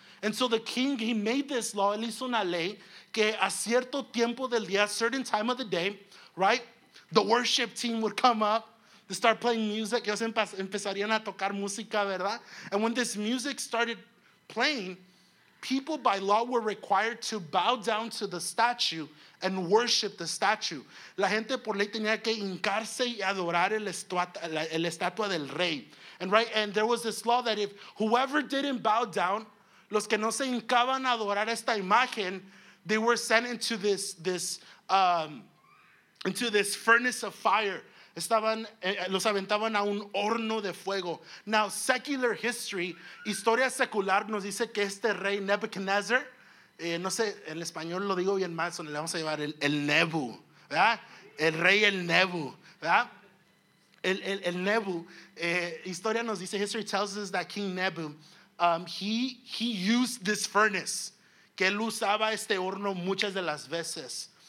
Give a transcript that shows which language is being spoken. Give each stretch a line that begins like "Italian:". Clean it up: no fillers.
English: And so the king, he made this law,
Spanish: él hizo una ley, que a cierto tiempo del día,
English: a certain time of the day, right, the worship team would come up, they start playing music,
Spanish: ellos empezarían a tocar música, ¿verdad?
English: And when this music started playing, people by law were required to bow down to the statue and worship the statue.
Spanish: La gente por ley tenía que hincarse y adorar el estatua del rey.
English: And right, and there was this law that if whoever didn't bow down,
Spanish: los que no se hincaban a adorar esta imagen,
English: they were sent into this furnace of fire.
Spanish: Estaban, los aventaban a un horno de fuego.
English: Now, secular history,
Spanish: historia secular, nos dice que este rey Nebuchadnezzar, no sé, en español lo digo bien mal, le vamos a llevar el Nebu, ¿verdad? El rey el Nebu, ¿verdad? El Nebu, historia nos dice,
English: history tells us that King Nebu, he used this furnace,
Spanish: que él usaba este horno muchas de las veces.